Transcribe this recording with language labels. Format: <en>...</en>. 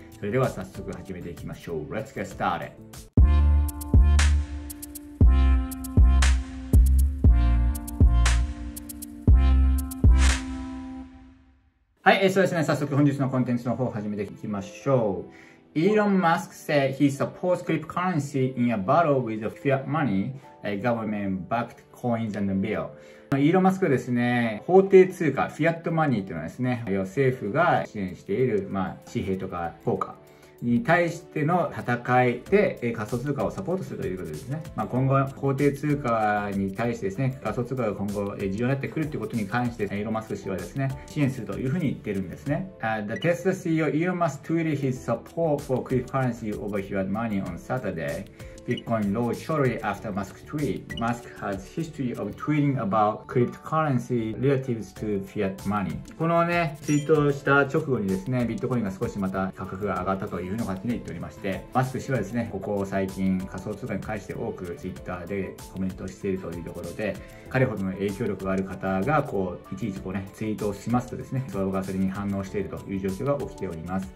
<ja>それでは早速始めていきましょう。</ja> <en>Let's get started。</en> <ja>はい、そうですね、早速本日のコンテンツの方を始めていきましょう。</ja> <en>イーロン・マスク said he supports cryptocurrency in a battle with fiat money, government backed coins and bill.</en> <ja>イーロン・マスクはですね、法定通貨、フィアットマニーというのはですね、要は政府が支援している、まあ、紙幣とか硬貨に対しての戦いで仮想通貨をサポートするということですね。まあ、今後法定通貨に対してですね、仮想通貨が今後重要になってくるということに関してイーロン・マスク氏はですね、支援するというふうに言ってるんですね。</ja> <en>The Tesla CEO Elon Musk tweeted his support for cryptocurrency over fiat money on Saturday. Bitcoin rose shortly after Musk's tweet. Musk has history of tweeting about cryptocurrency relative to fiat money.</en> <ja>このね、ツイートした直後にですね、ビットコインが少しまた価格が上がったというのが言っておりまして、マスク氏はですね、ここ最近仮想通貨に関して多くツイッターでコメントしているというところで、彼ほどの影響力がある方がこういちいちこうね、ツイートをしますとですね、相場がそれに反応しているという状況が起きております。</ja>